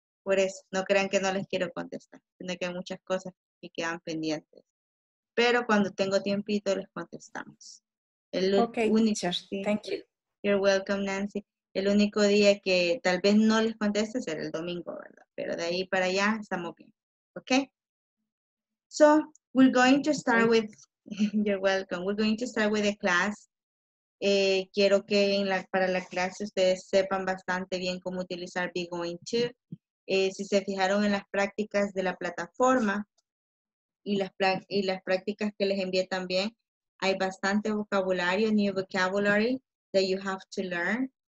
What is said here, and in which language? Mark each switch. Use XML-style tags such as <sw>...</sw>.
<es>Por eso, no crean que no les quiero contestar, sino que hay muchas cosas que quedan pendientes. Pero cuando tengo tiempito, les contestamos.</es> <en>Thank you. You're welcome, Nancy.</en> <es>El único día que tal vez no les conteste será el domingo, ¿verdad? Pero de ahí para allá estamos bien. Okay?</es> <en>So, we're going to start with, you're welcome, we're going to start with the class.</en> <es>Quiero que en la, para la clase ustedes sepan bastante bien cómo utilizar be going to. Si se fijaron en las prácticas de la plataforma y las prácticas que les envié también, hay bastante vocabulario,</es> <en>new vocabulary that you have to learn.</en>